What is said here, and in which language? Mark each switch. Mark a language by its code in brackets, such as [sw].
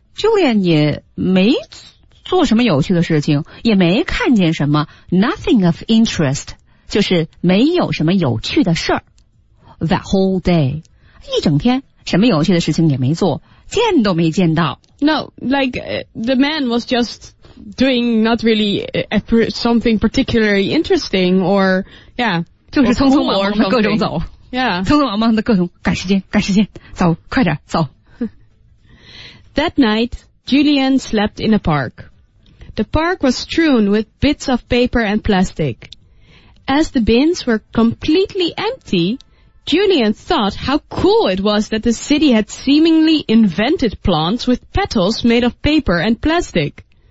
[zh] Julian 也没做什么有趣的事情，也没看见什么 [en] nothing of interest, [zh] 就是没有什么有趣的事儿。 [en] That whole day, [zh] 一整天什么有趣的事情也没做，见都没见到。 [en] No, like, the man was just doing not really something particularly interesting or, yeah, [zh] 就是匆匆忙忙的各种走。 [en] Yeah. [zh] 匆匆忙忙的各种赶时间赶时间走快点走。 [en] That night,Julian slept in a park. The park was strewn with bits of paper and plastic. As the bins were completely empty, Julian thought how cool it was that the city had seemingly invented plants with petals made of paper and plastic.